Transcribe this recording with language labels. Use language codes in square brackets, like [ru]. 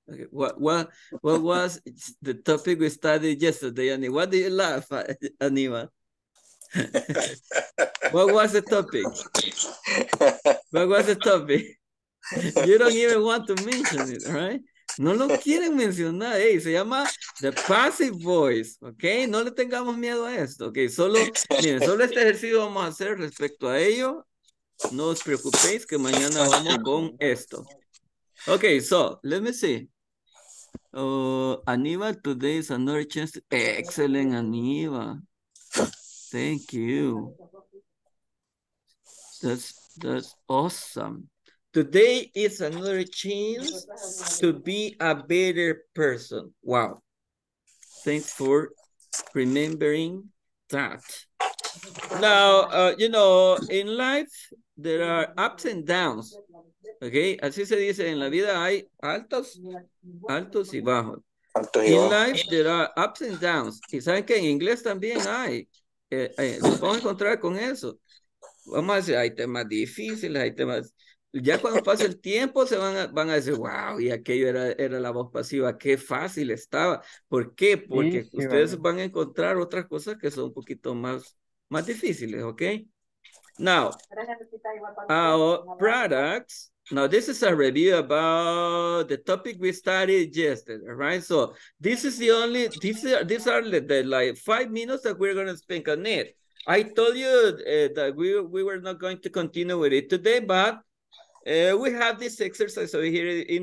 [en] What was the topic we studied yesterday, Aniva? What do you laugh at, Aniva? What was the topic? You don't even want to mention it, right? [es] No lo quieren mencionar. Hey, se llama the passive voice, okay? No le tengamos miedo a esto, okay? Solo, miren, solo este ejercicio vamos a hacer respecto a ello. No os preocupéis que mañana vamos con esto. [en] Ok, so, let me see. Aníbal, today is another chance. Excellent, Aníbal. Thank you. That's awesome. Today is another chance to be a better person. Wow. Thanks for remembering that. Now, you know, in life, there are ups and downs. Okay? [es] Así se dice, en la vida hay altos y bajos. [en] In life, there are ups and downs. [es] Y saben que en inglés también hay. Se pueden encontrar con eso. Vamos a decir, hay temas difíciles, hay temas... Ya cuando pasa el tiempo, se van a decir, wow, y aquello era la voz pasiva, qué fácil estaba. ¿Por qué? Porque sí, ustedes van a encontrar otras cosas que son un poquito más difíciles, ¿ok? [en] Now, our products. Now, this is a review about the topic we studied yesterday, right? So, these are the 5 minutes that we're going to spend on it. I told you that we were not going to continue with it today, but we have this exercise over here.